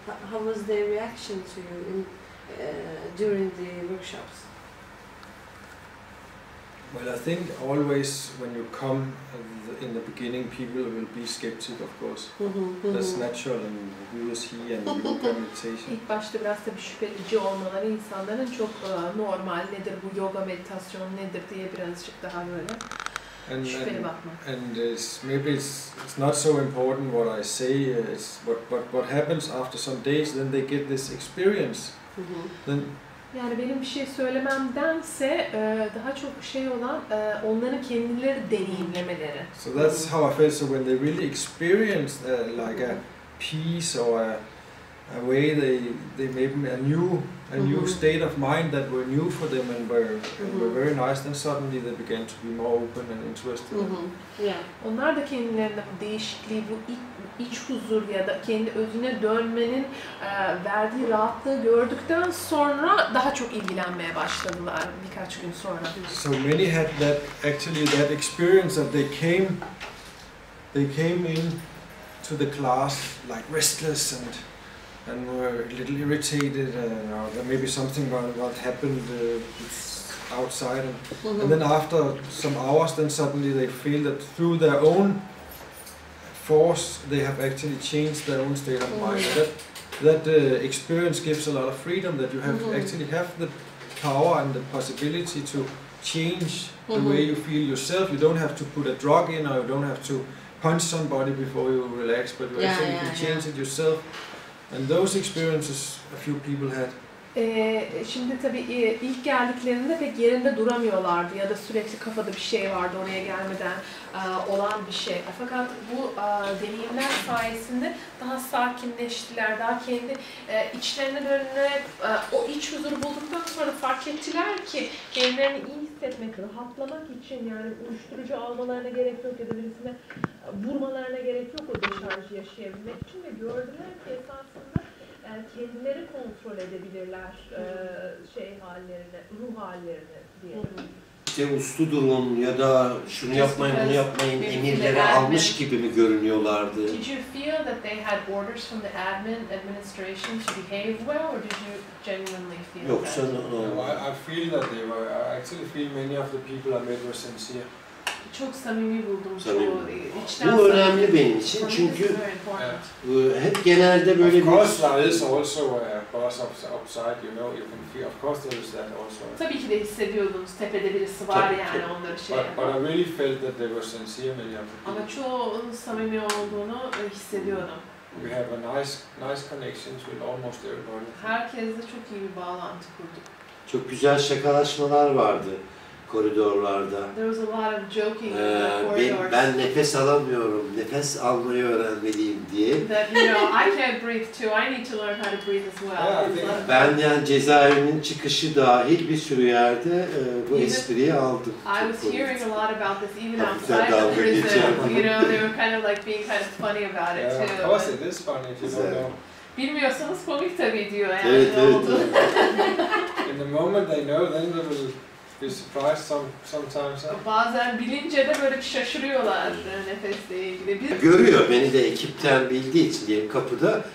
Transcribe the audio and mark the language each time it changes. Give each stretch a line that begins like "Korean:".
English: How was their reaction to you in during the workshops? Well, I think always when you come in the beginning, people will be skeptic, of course. Mm-hmm. That's natural, and who is he and your meditation.
Turkish: İlk başta biraz da bir şüpheci olmaları insanların çok normal. Nedir bu yoga meditasyon nedir diye birazcık daha böyle.
English: And it's not so important what I say. It's what happens after some days. Then they get this experience. Mm-hmm. Then.
Turkish: Yani benim bir şey söylememdense daha çok şey olan onların kendileri deneyimlemeleri.
English: So that's how I feel. So when they really experience like a peace or a way they maybe a new mm-hmm. state of mind that were new for them and were mm-hmm. were very nice, then suddenly they began to be more open and interested. Mm-hmm. Yeah.
Turkish: Onlar da kendilerinde bu değişikliği, bu iç huzur ya da kendi özüne dönmenin verdiği rahatlığı gördükten sonra daha çok ilgilenmeye başladılar birkaç gün sonra.
English: So many had that actually that experience that they came in to the class like restless and were a little irritated, or maybe something about what happened outside, and, mm-hmm. and then after some hours, then suddenly they feel that through their own force, they have actually changed their own state of mind. Mm-hmm. That experience gives a lot of freedom, that you have mm-hmm. actually have the power and the possibility to change mm-hmm. the way you feel yourself. You don't have to put a drug in, or you don't have to punch somebody before you relax, but you actually can change it yourself. And those experiences a few people had.
Turkish: Şimdi tabii ilk geldiklerinde pek yerinde duramıyorlardı ya da sürekli kafada bir şey vardı oraya gelmeden olan bir şey. Fakat bu deneyimler sayesinde daha sakinleştiler, daha kendi içlerine dönerek o iç huzuru bulduktan sonra fark ettiler ki kendilerini iyi hissetmek, rahatlamak için yani uyuşturucu almalarına gerek yok ya da birisine vurmalarına gerek yok o deşarjı yaşayabilmek için ve gördüler ki esasında kendileri kontrol edebilirler şey hallerini, ruh hallerini diye. İşte uslu durun ya da şunu yapmayın, bunu yapmayın emirleri almış gibi mi görünüyorlardı?
English: Did you feel that they had orders from the administration to behave well, or did you genuinely feel
Turkish: yoksa
English: that?
Turkish: Yoksa normal.
English: No, I feel that they were. I actually feel many of the people I met were sincere.
Turkish: Çok samimi buldum. Samimi. Çok, bu önemli benim için çünkü hep genelde böyle
English: bir... Of course there is also a boss upside, you know, you can feel. Of course there is that also.
Turkish: Tabii ki de hissediyordunuz tepede birisi var tabii, yani tabii. Onları şey.
English: But I really felt that they were sincere, many of them.
Turkish: Ama çoğunun samimi olduğunu hissediyordum.
English: We have a nice connections with almost everybody.
Turkish: Herkesle çok iyi bir bağlantı kurduk. Çok güzel şakalaşmalar vardı. Koridorlarda.
English: There was a lot of joking in the corridors.
Turkish: Ben nefes alamıyorum, nefes almayı öğrenmeliyim diye.
English: That, you know, I can't breathe too. I need to learn how to breathe as well.
Turkish: Ben yani cezaevinin çıkışı dahil bir sürü yerde bu
English: even
Turkish: espriyi aldım.
English: I was hearing a lot about this even outside of prison. You know, they were kind of like being kind of funny about it too. Of course it is funny if you don't know.
Turkish: Bilmiyorsanız komik tabii diyor. Yani evet, ne evet, oldu? Evet.
English: In the moment they know, then they will be surprised sometimes. Huh?
Turkish: Bazen bilince de böyle şaşırıyorlar nefesle ilgili. Biz... Görüyor beni de ekipten bildiği için diye kapıda.